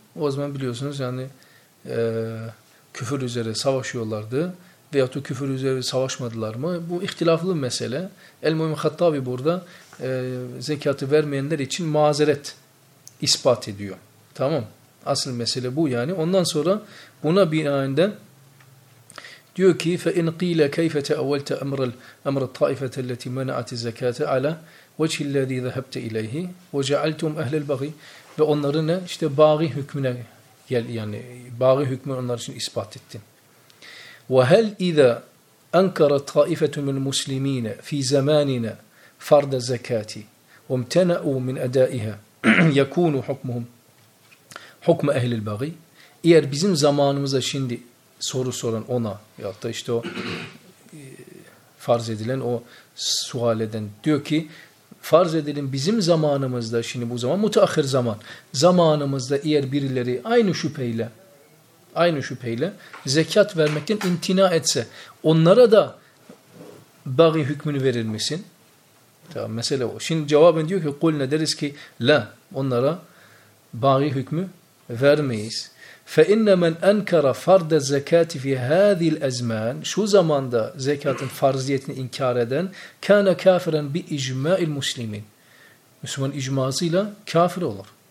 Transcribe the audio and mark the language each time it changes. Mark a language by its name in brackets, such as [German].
[Turkish] O zaman biliyorsunuz yani küfür üzere savaşıyorlardı veyahut küfür üzere savaşmadılar mı? Bu ihtilaflı mesele. El-Muhim Hattabi burada zekatı vermeyenler için mazeret ispat ediyor. Tamam. Asıl mesele bu yani. Ondan sonra buna binaen de diyor ki [Arabic] فَاِنْ قِيلَ كَيْفَ تَأَوَّلْتَ أَمْرَ الطَّائِفَةَ الَّتِي مَنَعَتِ الزَّكَاةَ عَلَى وَجْهِ الَّذ۪ي ذَهَبْتَ اِلَيْهِ وَجَعَلْتُمْ اَهْلَ الْبَغِي [Turkish] ve onları ne? İşte bâgî hükmüne gel yani bâgî hükmü onlar için ispat ettin. [Arabic] وَهَلْ اِذَا اَنْكَرَ طَائِفَةُ مِنْ الْمُسْلِم۪ينَ ف۪ي زَمَانِنَا فَرْدَ الزَّكَاةِ وَمْتَنَعُوا مِنْ اَدَائِهَا يَكُونُ حُكْمُهُمْ حُكْمَ اَهْلِ الْبَغِي [Turkish] eğer bizim zamanımıza şimdi soru soran ona ya da işte o farz edilen o sualeden diyor ki, farz edelim bizim zamanımızda, şimdi bu zaman mutahhir zaman, zamanımızda eğer birileri aynı şüpheyle zekat vermekten imtina etse, onlara da bagi hükmünü verir misin? Tamam, mesele o. Şimdi cevabın diyor ki, kul ne deriz ki, la, onlara bagi hükmü vermeyiz. [Arabic] فَاِنَّ مَنْ اَنْكَرَ فَرْدَ الزَّكَاتِ فِي هَذِي الْاَزْمَانِ [Turkish] Şu zamanda zekatın farziyetini inkar eden, [Arabic] كَانَ كَافِرًا بِاِجْمَاءِ الْمُسْلِمِينَ [Turkish] Müslüman icmazıyla kafir olur.